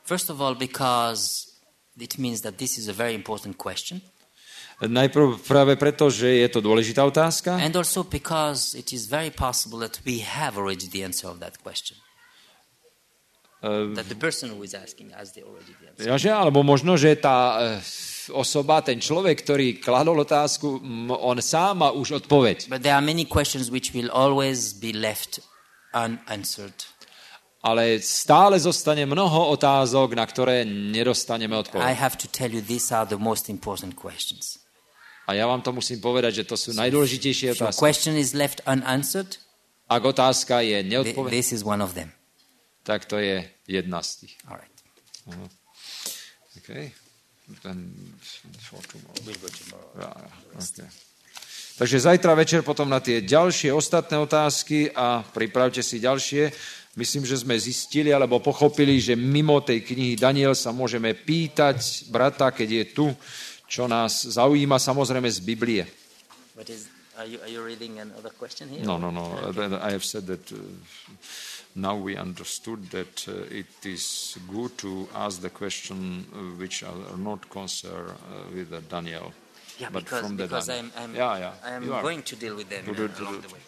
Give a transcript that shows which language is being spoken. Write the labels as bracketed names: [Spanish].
[English] First of all, because it means that this is a very important question. [Slovak] Najprv práve preto, že je to dôležitá otázka. [English] And also because it is very possible that we have already the answer of that question. That the person who is asking has already the answer. [Slovak] Jaže, alebo možno, že tá osoba, ten človek, ktorý kladol otázku, on sám má už odpoveď. [English] But there are many questions which will always be left unanswered. [Slovak] Ale stále zostane mnoho otázok, na ktoré nedostaneme odpoveď. [English] I have to tell you these are the most important questions. [Slovak] A ja vám to musím povedať, že to sú so najdôležitejšie otázky. [English] Your question is left unanswered. [Slovak] Ak otázka je neodpovedaná. [English] This is one of them. [Slovak] Tak to je jedna z tých. [English] All right. Uh-huh. Okay. Then for tomorrow. We'll go tomorrow. Yeah. Okay. [Slovak] Takže zajtra večer potom na tie ďalšie ostatné otázky a pripravte si ďalšie. Myslím, že sme zistili alebo pochopili, že mimo tej knihy Daniel sa môžeme pýtať brata, keď je tu, čo nás zaujíma, samozrejme z Biblie. [English] What is, are you reading another question here? No. Okay. I have said that now we understood that it is good to ask the question which are not concerned with Daniel. Yeah, because I'm going to deal with them along the way.